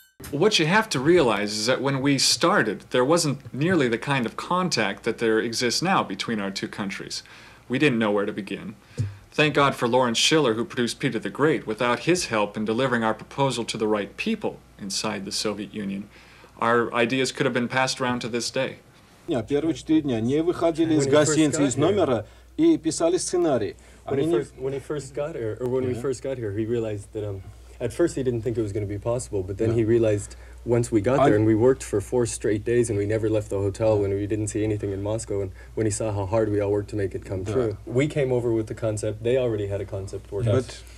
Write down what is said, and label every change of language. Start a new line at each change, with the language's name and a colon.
English: What you have to realize is that when we started, there wasn't nearly the kind of contact that there exists now between our two countries. We didn't know where to begin. Thank God for Lawrence Schiller, who produced Peter the Great. Without his help in delivering our proposal to the right people inside the Soviet Union, our ideas could have been passed around to this day.
Russian: Не, первые 4 дня не выходили из гостиницы из номера и писали сценарий.
English: When he first got here, he realized that at first he didn't think it was going to be possible, but then he realized once we got there and we worked for 4 straight days and we never left the hotel when we didn't see anything in Moscow, and when he saw how hard we all worked to make it come true. We came over with the concept, they already had a concept for us.